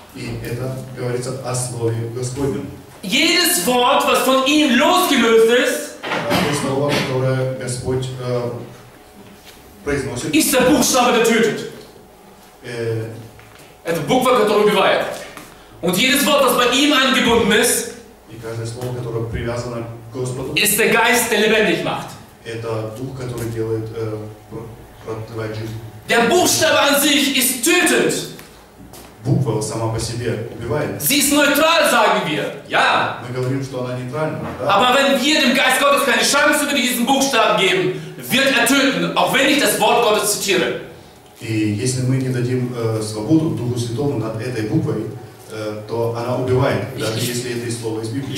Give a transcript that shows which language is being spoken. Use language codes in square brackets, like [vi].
[ru] И это говорится о слове Господнем. [de] Jedes Wort, was von ihm losgelöst ist, [ru] каждое слово, которое Господь произносит, [de] ist der Buchstabe, der tötet. [ru] Это буква, которая убивает. [de] Und jedes Wort, was bei ihm angebunden ist, [ru] и каждое слово, которое привязано к Господу, [de] ist der Geist, der lebendig macht. [ru] Это дух, который делает продлевает жизнь. [de] Der Buchstabe an sich ist tötend. [ru] Буква сама по себе убивает. [de] Sie ist neutral, sagen wir. Ja. [ru] Мы говорим, что она нейтральна. Да? [de] Aber wenn wir dem Geist Gottes keine Chance über diesen Buchstaben geben, wird töten, auch wenn ich das Wort Gottes zitiere. [ru] И если мы не дадим свободу Духу Святому над этой буквой, то она убивает, даже если это и слово из Библии.